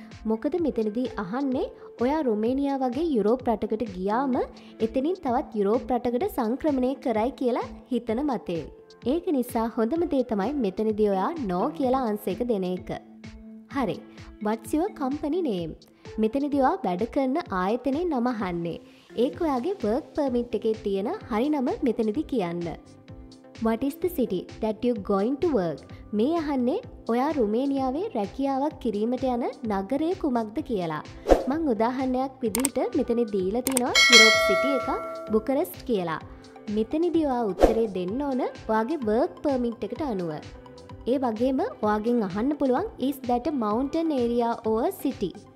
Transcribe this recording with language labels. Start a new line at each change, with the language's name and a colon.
Sinhala: මොකද මෙතනදී අහන්නේ ඔයා රුමේනියා වගේ යුරෝප් රටකට ගියාම එතනින් තවත් යුරෝප් රටකට සංක්‍රමණය කරයි කියලා හිතන මතේ. ඒක නිසා හොඳම දේ තමයි මෙතනදී ඔයා no කියලා answer එක දෙන එක. හරි.
English: What's your company name?
Sinhala: මෙතනදී ඔයා වැඩ කරන ආයතනයේ නම අහන්නේ. ඒක ඔයාගේ work permit එකේ තියෙන හරිනම මෙතනදී කියන්න.
English: What is the city that you going to work?
Sinhala: මේ අහන්නේ ඔයා රුමේනියාවේ රැකියාවක් කිරීමට යන නගරය කුමක්ද කියලා. මං උදාහරණයක් විදිහට මෙතනදී දීලා තිනවා යුරෝප් සිටි එක බුකරෙස්ට් කියලා. මෙතනදී ඔයා උත්තරේ දෙන්න ඕන ඔයාගේ work permit එකට අනුව. ඒ වගේම ඔයාගෙන් අහන්න පුළුවන්
English: is that a mountain area or a city?